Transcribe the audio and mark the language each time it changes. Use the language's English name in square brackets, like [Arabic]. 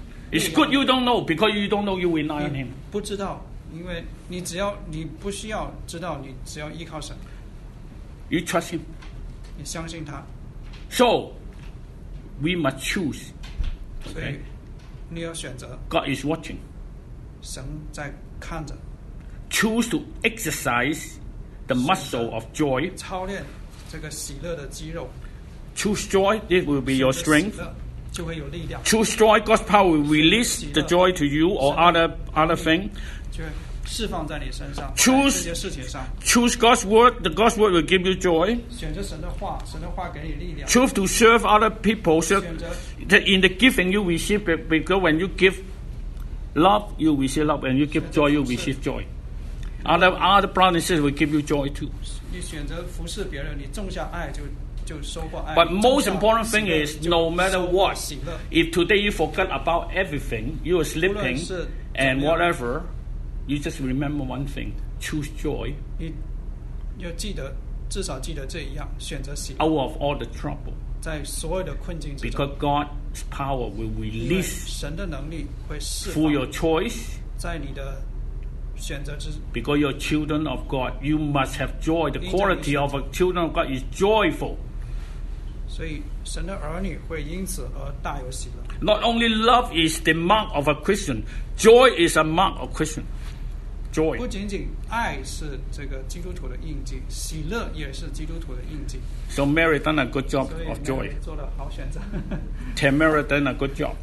[English] It's good you don't know because you don't know you rely on him. [Chinese] 不知道，因为你只要你不需要知道，你只要依靠神。 [English] You trust him. [Chinese] 你相信他。 [English] So we must choose. [Chinese] 所以你要选择。 [English] God is watching. [Chinese] 神在看着。 [English] Choose to exercise the muscle of joy. [Chinese] 操练这个喜乐的肌肉。 [English] Choose joy. This will be your strength. [Chinese] 就会有力量。 [English] Choose joy, God's power will release the joy to you or other thing. [Chinese] 就释放在你身上。 [English] Choose [Chinese] 这些事情上。 [English] Choose God's word, the God's word will give you joy. [Chinese] 选择神的话，神的话给你力量。 [English] Choose to serve other people, serve in the giving you receive, because when you give love, you receive love, and you give joy, you receive joy. Other promises will give you joy too. [Chinese] 你选择服侍别人，你种下爱就。 [English] But most important thing is, no matter what, if today you forget about everything, you are sleeping, and whatever, you just remember one thing, choose joy. [Chinese] 你要记得，至少记得这一样，选择喜乐。 [English] Out of all the trouble, [Chinese] 在所有的困境之中， [English] because God's power will release [Chinese] 神的能力会释放 [English] through your choice, [Chinese] 在你的选择之 [English] Because you're children of God, you must have joy. The quality of a children of God is joyful. [Chinese] 所以神的儿女会因此而大有喜乐。 [English] Not only love is the mark of a Christian, joy is a mark of Christian. Joy. [Chinese] 不仅仅爱是这个基督徒的印记，喜乐也是基督徒的印记。 [English] So Mary done a good job of joy. [Chinese] 做了好选择。 [English] Tell Mary done a good job.